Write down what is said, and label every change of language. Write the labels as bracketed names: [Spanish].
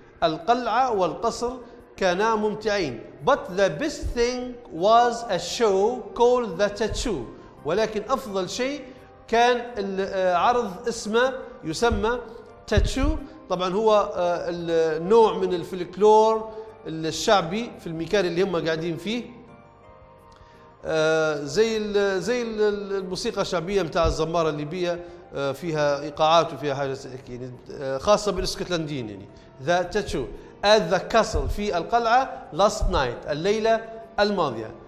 [Arabic] القلعة والقصر كانا ممتعين. [English] But the best thing was a show called the tattoo. [Arabic] ولكن أفضل شيء كان العرض اسمه يسمى tattoo. طبعا هو النوع من الفلكلور الشعبي في المكان اللي هم قاعدين فيه زي الموسيقى الشعبية متاع الزمارة الليبية فيها إيقاعات وفيها حاجة يعني خاصة بالاسكتلنديين يعني [English] The tattoo at the castle [Arabic] في القلعة [English] last night [Arabic] الليلة الماضية.